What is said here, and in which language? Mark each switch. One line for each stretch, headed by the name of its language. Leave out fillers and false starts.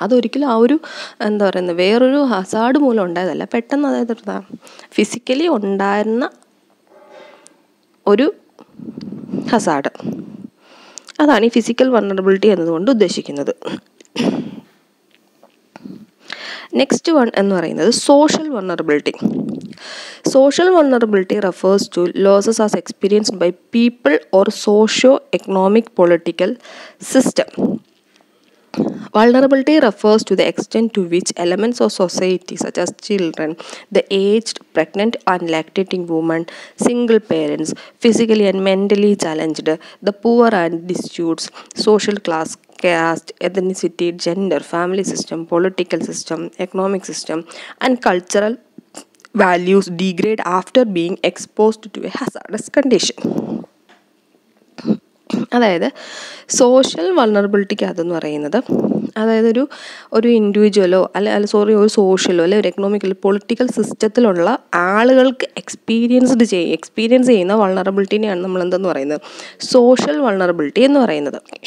Malayalam: അതൊരിക്കലും ആ ഒരു എന്താ പറയുന്നത് വേറൊരു ഹസാർഡ് മൂലം ഉണ്ടായതല്ല, പെട്ടെന്ന് അതായത് ഫിസിക്കലി ഉണ്ടായിരുന്ന ഒരു ഹസാർഡ്, അതാണ് ഈ ഫിസിക്കൽ വൾണറബിലിറ്റി എന്നതുകൊണ്ട് ഉദ്ദേശിക്കുന്നത്.
English: next one
Malayalam: എന്ന് പറയുന്നത്
English: Social vulnerability. Social vulnerability refers to losses as experienced by people or socio economic political system. Vulnerability refers to the extent to which elements of society such as children, the aged, pregnant and lactating women, single parents, physically and mentally challenged, the poor and destitute, social class, caste, ethnicity, gender, family system, political system, economic system and cultural values degrade after being exposed to a hazardous condition.
Malayalam: അതായത് social വൾണറബിലിറ്റിക്ക് അതെന്ന് പറയുന്നത്, അതായത് ഒരു ഒരു ഇൻഡിവിജ്വലോ അല്ലെ sorry ഒരു സോഷ്യലോ അല്ലെ ഒരു എക്കണോമിക്കൽ പൊളിറ്റിക്കൽ സിസ്റ്റത്തിലുള്ള ആളുകൾക്ക് എക്സ്പീരിയൻസ് ചെയ്യുന്ന വൾണറബിലിറ്റിനെയാണ് നമ്മൾ എന്തെന്ന് പറയുന്നത്, സോഷ്യൽ വൾണറബിലിറ്റി എന്ന് പറയുന്നത്.